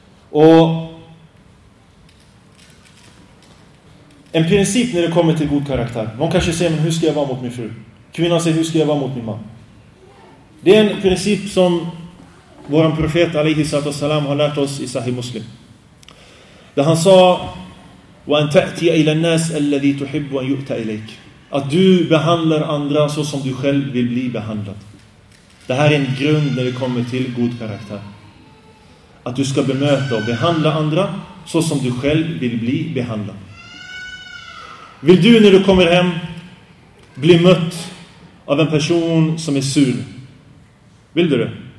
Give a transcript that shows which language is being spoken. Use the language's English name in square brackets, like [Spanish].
[Swedish] Och en princip när det kommer till god karaktär. Någon kanske säger, men hur ska jag vara mot min fru? Kvinnan säger, hur ska jag vara mot min man? Det är en princip som vår profet alaihi salatu wasalam har lärt oss i Sahih Muslim. [Arabic] Där han sa: وَأَنْ تَأْتِيَ إِلَى النَّاسِ أَلَّذِي تُحِبُّ أَنْ يُؤْتَ إِلَيْكَ. [Swedish] Att du behandlar andra så som du själv vill bli behandlad. Det här är en grund när det kommer till god karaktär. Att du ska bemöta och behandla andra så som du själv vill bli behandlad. Vill du när du kommer hem bli mött av en person som är sur? Vill du det?